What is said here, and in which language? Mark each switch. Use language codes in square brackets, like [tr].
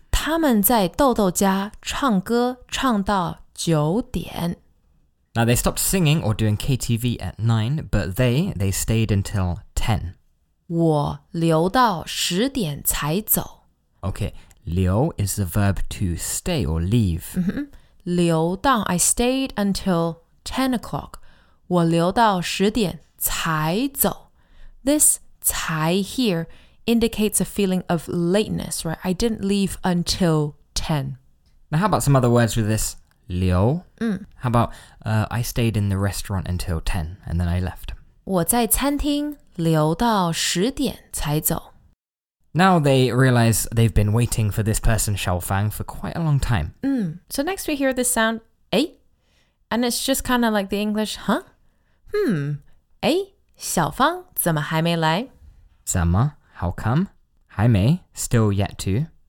[zh] 他们在豆豆家唱歌唱到九点。 [en] Now they stopped singing or doing KTV at 9, but they stayed until 10. [zh] 我留到十点才走。 [en] Okay, 留 is the verb to stay or leave. 留到, I stayed until 10 o'clock. [zh] 我留到十点才走。 [en] This 才 here indicates a feeling of lateness, right? I didn't leave until 10. Now, how about some other words with this 留? How about I stayed in the restaurant until 10 and then I left? [zh] 我在餐厅留到十点才走。 [en] Now they realize they've been waiting for this person, Xiaofang, for quite a long time. So next we hear this sound, 诶? And it's just kind of like the English, huh? [zh] Hmm. 诶, 小芳怎么还没来? [en] 怎么?How come? 还没, still yet to.